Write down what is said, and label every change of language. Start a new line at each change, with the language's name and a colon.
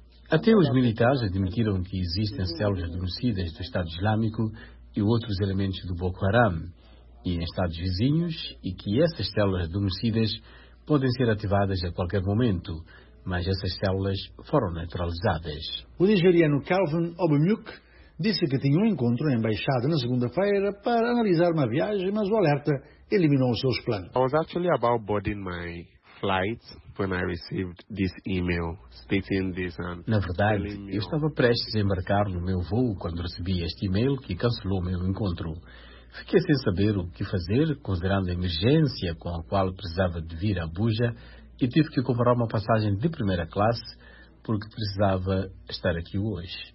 Portuguese: Até os militares admitiram que existem células adormecidas do Estado Islâmico e outros elementos do Boko Haram e em estados vizinhos, e que essas células adormecidas podem ser ativadas a qualquer momento, mas essas células foram neutralizadas. O nigeriano Calvin Obemuk disse que tinha um encontro na embaixada na segunda-feira para analisar uma viagem, mas o alerta eliminou os seus planos.
English: I was actually about boarding my flight when I received this email stating this.
Portuguese: Na verdade, eu estava prestes a embarcar no meu voo quando recebi este e-mail que cancelou o meu encontro. Fiquei sem saber o que fazer, considerando a emergência com a qual precisava de vir a Abuja, e tive que comprar uma passagem de primeira classe porque precisava estar aqui hoje.